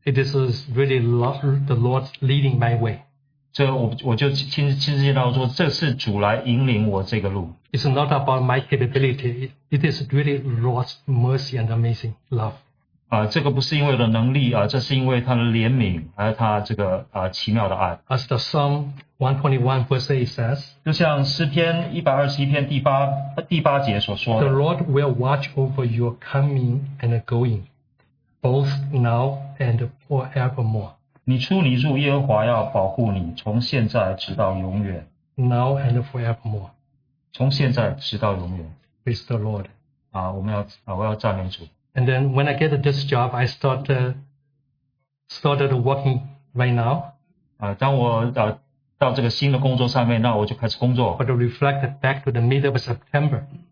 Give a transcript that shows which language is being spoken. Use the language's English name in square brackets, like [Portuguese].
[English] It is really the Lord leading my way. [Chinese] 这我就亲自见到说，这是主来引领我这个路。 [English] It's not about my capability. It is really Lord's mercy and amazing love. [Chinese] 这个不是因为我的能力，这是因为他的怜悯，还有他这个奇妙的爱。 [English] As the Psalm 121 verse 8 says, [Chinese] 就像诗篇121篇第八节所说的, [English] The Lord will watch over your coming and going, both now and forevermore. [Chinese] 你出你入，耶和华要保护你，从现在直到永远。 [English] Now and forevermore. [Chinese] 从现在直到永远。 [English] Praise the Lord. [Chinese] 我要赞美主。 [English] And then when I get this job, I started working right now. [Chinese] 当我到这个新的工作上面，那我就开始工作。 [English] But reflect back to the middle of September.